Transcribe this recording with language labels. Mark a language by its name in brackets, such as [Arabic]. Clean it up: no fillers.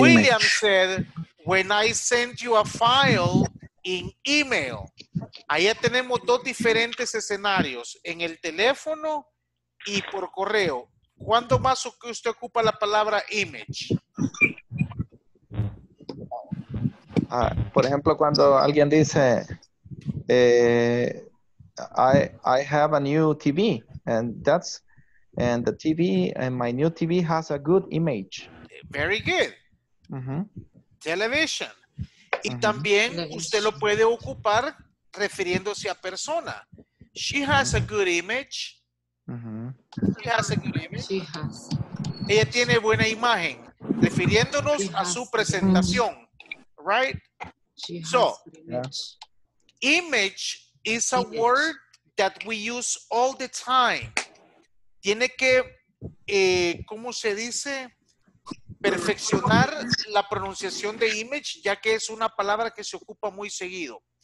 [English] William said, when I send you a file in email. [Spanish] Ahí ya tenemos dos diferentes escenarios, en el teléfono y por correo. ¿Cuándo más usted ocupa la palabra image? Por ejemplo, cuando alguien dice I have a new TV and the TV and my new TV has a good image. [English] Very good. Mm-hmm. Television. Y uh-huh. [Spanish] También usted lo puede ocupar refiriéndose a persona. She has a good image. [English] She has a good image. She has. [Spanish] Ella tiene buena imagen, refiriéndonos a su presentación, right? [English] So, image is a word that we use all the time. [Spanish] Tiene que, ¿cómo se dice? Perfeccionar la pronunciación de image, ya que es una palabra que se ocupa muy seguido.